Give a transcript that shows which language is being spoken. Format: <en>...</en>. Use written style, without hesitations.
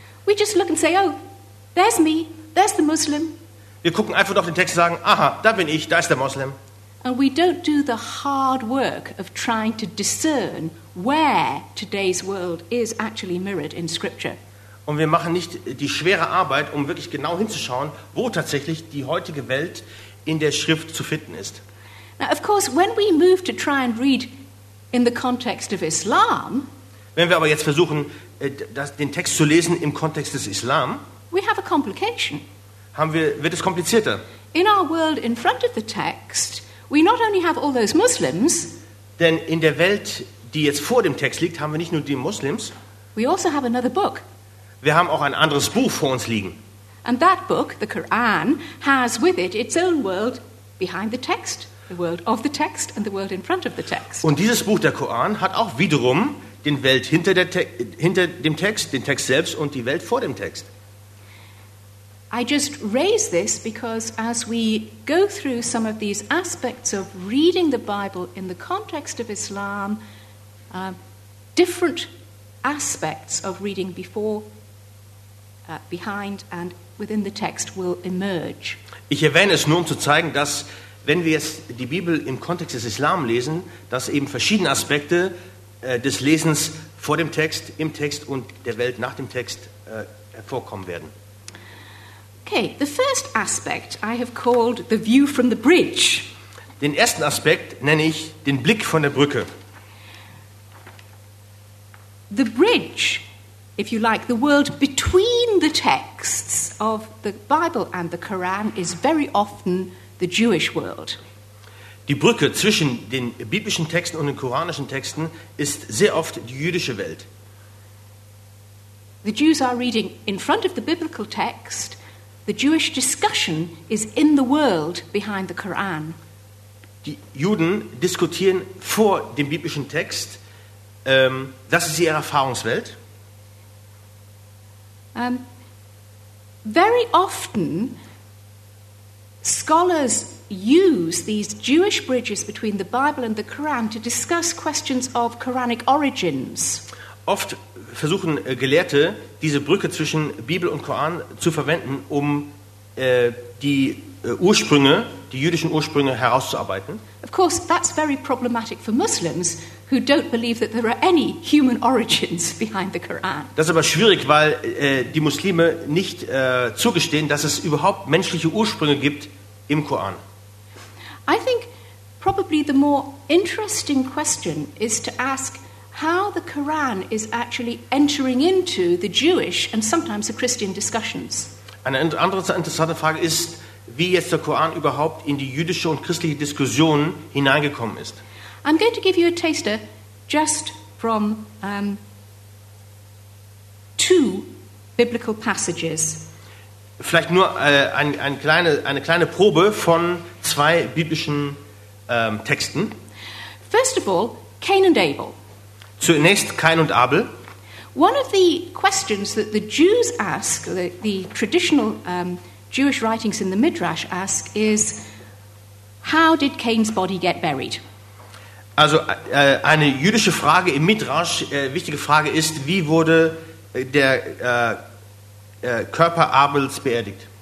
<en>We just look and say, oh, there's me, there's the Muslim.</en> <de>Wir gucken einfach auf den Text und sagen, aha, da bin ich, da ist der Moslem.</de> <en>And we don't do the hard work of trying to discern where today's world is actually mirrored in Scripture.</en> <de>Und wir machen nicht die schwere Arbeit, um wirklich genau hinzuschauen, wo tatsächlich die heutige Welt in der Schrift zu finden ist.</de> <en>Now, of course, when we move to try and read in the context of Islam,</en> <de>wenn wir aber jetzt versuchen, den Text zu lesen im Kontext des Islam,</de> <en>we have a complication.</en> <de>Wird es komplizierter.</de> <en>In our world in front of the text, we not only have all those Muslims,</en> <de>denn in der Welt, die jetzt vor dem Text liegt, haben wir nicht nur die Muslims.</de> <en>We also have another book.</en> <de>Wir haben auch ein anderes Buch vor uns liegen.</de> <en>And that book, the Quran, has with it its own world behind the text, the world of the text and the world in front of the text.</en> <de>Und dieses Buch der Koran hat auch wiederum den Welt hinter dem Text, den Text selbst und die Welt vor dem Text.</de> <en>I just raise this because as we go through some of these aspects of reading the Bible in the context of Islam, different aspects of reading before, behind and within the text will emerge.</en> <de>Ich erwähne es nur, um zu zeigen, dass wenn wir jetzt die Bibel im Kontext des Islam lesen, dass eben verschiedene Aspekte des Lesens vor dem Text, im Text und der Welt nach dem Text hervorkommen werden.</de> <en>Okay, the first aspect I have called the view from the bridge.</en> <de>Den ersten Aspekt nenne ich den Blick von der Brücke.</de> <en>The bridge, if you like, the world between the texts of the Bible and the Quran is very often the Jewish world.</en> <de>Die Brücke zwischen den biblischen Texten und den koranischen Texten ist sehr oft die jüdische Welt.</de> <en>The Jews are reading in front of the biblical text. The Jewish discussion is in the world behind the Quran.</en> <de>Die Juden diskutieren vor dem biblischen Text. Das ist ihre Erfahrungswelt.</de> <en>Very often, scholars use these Jewish bridges between the Bible and the Quran to discuss questions of Quranic origins.</en> <de>Oft versuchen Gelehrte, diese Brücke zwischen Bibel und Koran zu verwenden, um die Ursprünge, die jüdischen Ursprünge herauszuarbeiten.</de> <en>Of course, that's very problematic for Muslims who don't believe that there are any human origins behind the Quran.</en> <de>Das ist aber schwierig, weil die Muslime nicht zugestehen, dass es überhaupt menschliche Ursprünge gibt im Koran.</de> <en>I think probably the more interesting question is to ask how the Quran is actually entering into the Jewish and sometimes the Christian discussions.</en> <de>Eine andere interessante Frage ist, wie jetzt der Koran überhaupt in die jüdische und christliche Diskussion hineingekommen ist.</de> <en>I'm going to give you a taster just from two biblical passages.</en> <de>Vielleicht nur eine kleine Probe von zwei biblischen Texten.</de> <en>First of all, Cain and Abel.</en> <de>Zunächst Cain und Abel.</de> <en>One of the questions that the Jews ask, the traditional Jewish writings in the Midrash ask, is how did Cain's body get buried?</en> <de>Also eine jüdische Frage im Midrash, wichtige Frage ist, wie wurde der Körper Abels beerdigt?</de>